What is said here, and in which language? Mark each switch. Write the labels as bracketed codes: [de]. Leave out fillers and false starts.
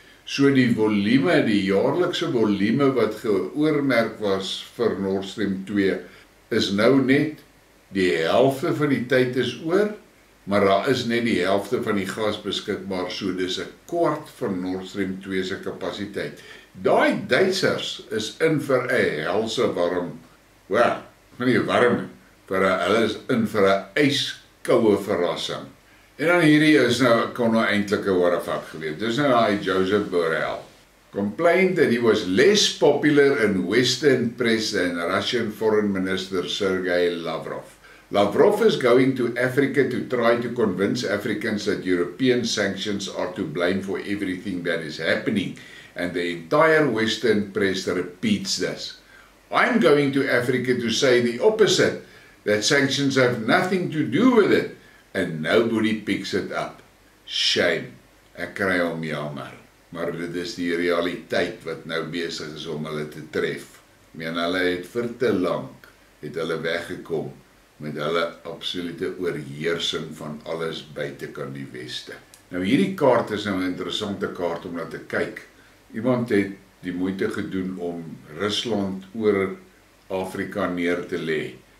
[af] So die volume, die jaarlikse volume wat geoormerk was vir Nord Stream 2, is nou net die helfte van die tyd is oor, maar daar is net die helfte van die gas beskikbaar, so dis 'n kwart van Nord Stream 2 se kapasiteit. Daai Duitsers is in vir 'n helse warm. Hulle is in vir 'n ijskoue verrassing. En dan hierdie is nou, kon nou eintlik 'n waterfuck gewees. Dis nou hy Joseph Borrell. [en] Complained that he was less popular in Western press than Russian Foreign Minister Sergei Lavrov. Lavrov is going to Africa to try to convince Africans that European sanctions are to blame for everything that is happening. And the entire Western press repeats this. I'm going to Africa to say the opposite, that sanctions have nothing to do with it, and nobody picks it up. [af] Shame. Ek kry hom jammer. Maar dit is die realiteit wat nou besig is om hulle te tref. Meen hulle het vir te lank, het hulle weggekom met hulle absolute oorheersing van alles buitekant die Weste. Nou hierdie kaart is nou 'n interessante kaart om na te kyk. Iemand het die moeite gedoen om Rusland oor Afrika neer te lê.